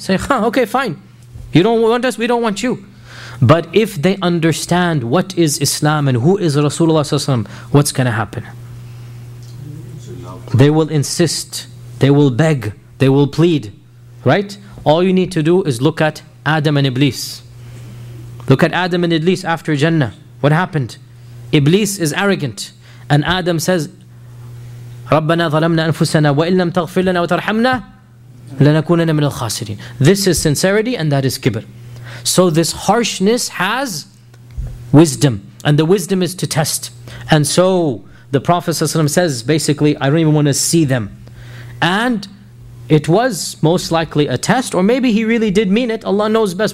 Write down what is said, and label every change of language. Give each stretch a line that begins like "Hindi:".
English: Say, huh, okay, fine. You don't want us, we don't want you. But if they understand what is Islam and who is Rasulullah, what's going to happen? They will insist, they will beg, they will plead, right? All you need to do is look at Adam and Iblis. Look at Adam and Iblis after Jannah. What happened? Iblis is arrogant. And Adam says,
Arabic: رَبَّنَا ظَلَمْنَا أَنفُسَنَا وَإِن لَمْ تَغْفِرْ لَنَا وَتَرْحَمْنَا لَنَكُونَنَا مِنَ الْخَاسِرِينَ.
English: This is sincerity and that is kibr. So this harshness has wisdom. And the wisdom is to test. And so the Prophet ﷺ says, basically, I don't even want to see them. And it was most likely a test, or maybe he really did mean it. Allah knows best.